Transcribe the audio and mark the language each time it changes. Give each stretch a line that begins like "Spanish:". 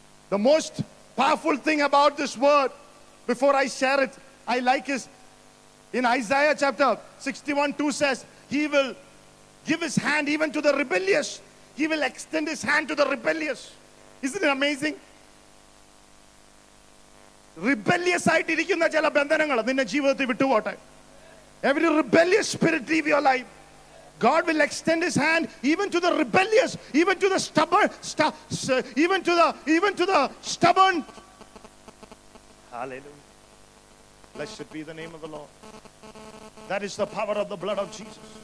English: The most powerful thing about this word, before I share it, I like is in Isaiah chapter 61:2 says, he will give his hand even to the rebellious. He will extend his hand to the rebellious. Isn't it amazing?
Malayalam: Rebellious ആയിട്ട് ഇരിക്കുന്ന ചില ബന്ധനങ്ങൾ നിന്റെ ജീവിതത്തിൽ വിട്ടുപോട്ടെ.
English: Every rebellious spirit, leave your life. God will extend his hand even to the rebellious, even to the stubborn, even to the stubborn. Hallelujah. Blessed be the name of the Lord. That is the power of the blood of Jesus.